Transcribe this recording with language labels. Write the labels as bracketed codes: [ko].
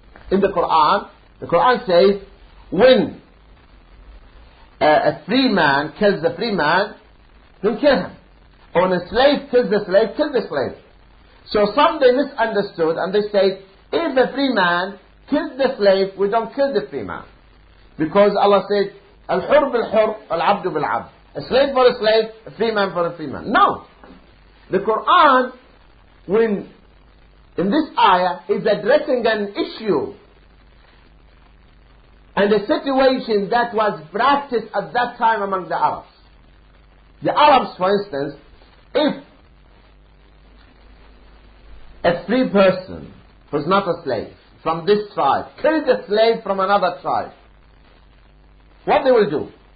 [en] In the Quran says, when a free man kills a free man, then kill him. Or when a slave kills a slave, kill the slave. So some they misunderstood and they say, if a free man kills the slave, we don't kill the free man. Because Allah said, [ar] الحر بالحر والعبد بالعبد. [en] A slave for a slave, a free man for a free man. No. The Quran, when in this ayah, is addressing an issue and a situation that was practiced at that time among the Arabs. The Arabs, for instance, if a free person who's not a slave from this tribe kills a slave from another tribe, what they will do?